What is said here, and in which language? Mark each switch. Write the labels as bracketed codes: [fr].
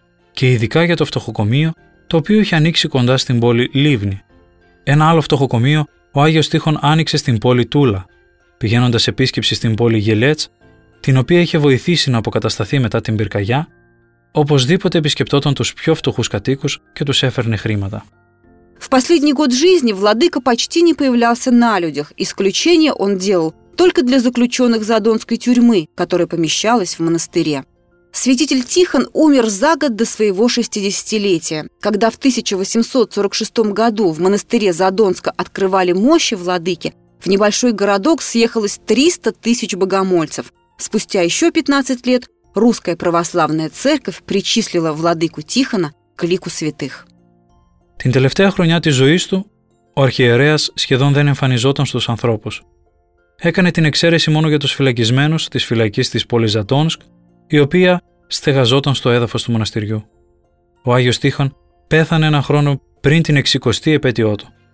[el] Και ειδικά για το φτωχοκομείο το οποίο είχε ανοίξει κοντά στην πόλη Λίβνη. Ένα άλλο φτωχοκομείο ο Άγιος Τείχον άνοιξε στην πόλη Τούλα, πηγαίνοντας επίσκεψη στην πόλη Γελέτς, την οποία είχε βοηθήσει να αποκατασταθεί μετά την πυρκαγιά. Οπωσδήποτε επισκεπτόταν τους πιο φτωχούς κατοίκους και τους έφερνε χρήματα. [ru] В последний год жизни владыка почти не появлялся на людях. Исключение он делал только для заключенных Задонской тюрьмы, которая помещалась в монастыре. Святитель Тихон умер за год до своего 60-летия, когда в 1846 году в монастыре Задонска открывали мощи владыки, в небольшой городок съехалось 300 тысяч богомольцев. Спустя еще 15 лет Русская Православная Церковь причислила владыку Тихона к лику святых. [el] Την τελευταία χρονιά της ζωής του, ο αρχιερέας σχεδόν δεν εμφανιζόταν στους ανθρώπους. Έκανε την εξαίρεση μόνο για τους φυλακισμένους της φυλακής της πόλης Ζατόνσκ, η οποία στεγαζόταν στο έδαφος του μοναστηριού. Ο Άγιος Τίχον πέθανε ένα χρόνο πριν την 60η επέτειό του.